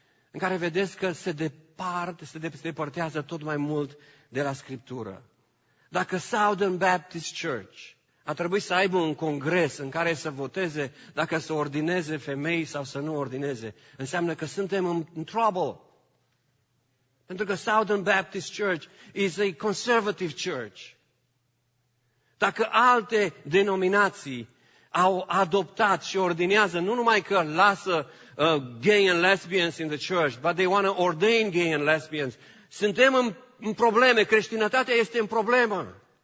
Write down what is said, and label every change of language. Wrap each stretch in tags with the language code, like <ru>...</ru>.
<ro>În care vedeți că se depărtează tot mai mult de la Scriptură. Dacă Southern Baptist Church a trebuit să aibă un congres în care să voteze dacă să ordineze femei sau să nu ordineze, înseamnă că suntem în trouble. Pentru că</ro> <en>Southern Baptist Church is a conservative church.</en> <ro>Dacă alte denominații au adoptat și ordinează, nu numai că lasă</ro> <en>gay and lesbians in the church, but they want to ordain gay and lesbians,</en> <ro>suntem în probleme, creștinătatea este în problemă.</ro>